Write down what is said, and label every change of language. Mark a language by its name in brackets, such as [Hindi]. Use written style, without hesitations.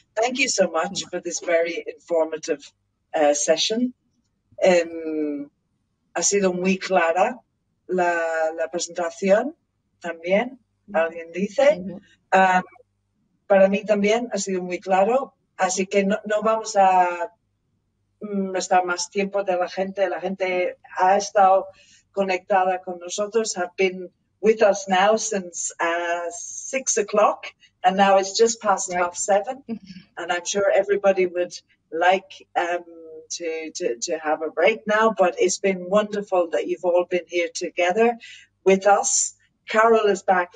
[English] Thank you so much for this very informative session. [Spanish] Ha sido muy clara la presentación también, alguien dice. Para mí también ha sido muy claro, así que no vamos a estar más tiempo de la gente. La gente ha estado conectada con nosotros, [English] have been with us now since 6 o'clock, and now it's just past half seven, and I'm sure everybody would like to have a break now, but it's been wonderful that you've all been here together with us. Carol is back.